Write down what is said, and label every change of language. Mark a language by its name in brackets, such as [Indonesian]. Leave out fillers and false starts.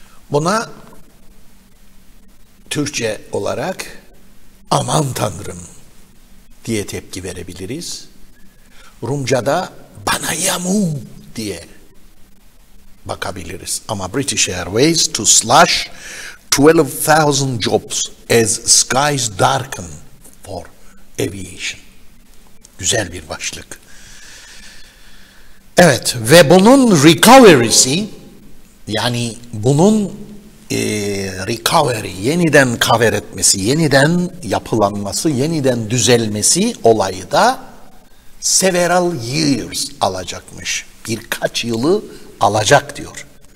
[Turkish] Buna Türkçe olarak aman tanrım diye tepki verebiliriz. Rumca'da bana yamu diye bakabiliriz. [English] Ama British Airways to slash 12,000 jobs as skies darken for aviation. [Turkish] Güzel bir başlık. Evet, ve bunun recovery'si, yani bunun recovery, yeniden cover etmesi, yeniden yapılanması, yeniden düzelmesi olayı da [English] several years [Turkish] alacakmış. Birkaç yılı alacak diyor.